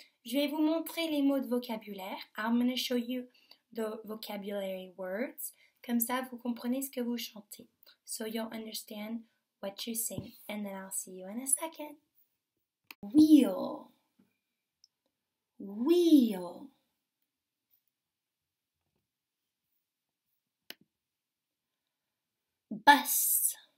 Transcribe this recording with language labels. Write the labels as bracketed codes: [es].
[fr] Je vais vous montrer les mots de vocabulaire. [en] I'm going to show you the vocabulary words. [fr] Comme ça, vous comprenez ce que vous chantez. [en] So you'll understand what you sing. And then I'll see you in a second. Wheel. Wheel. Bus.